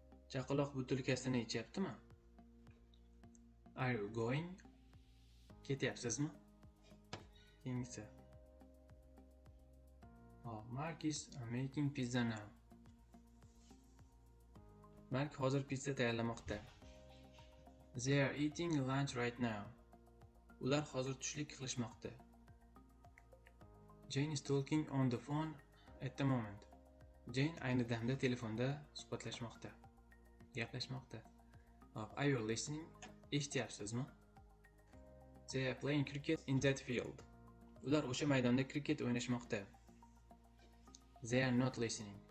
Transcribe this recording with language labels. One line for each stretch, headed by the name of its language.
Uzbek: Chaqaloq butilkasini ichyaptimi?
English: Are you going?
Uzbek: Ketyapsizmi? Keyingisi.
English: Oh, Mark is making pizza now.
Uzbek: Mark hozir pizza tayyorlamoqda.
English: They are eating lunch right now.
Uzbek: Ular hozir tushlik qilishmoqda.
English: Jane is talking on the phone at the moment.
Uzbek: Jane ayni damda telefonda suhbatlashmoqda. Gaplashmoqda.
English: Oh, are you listening?
Uzbek: Eshityapsizmi?
English: They are playing cricket in that field.
Uzbek: Ular o'sha maydonda cricket o'ynashmoqda.
English: They are not listening.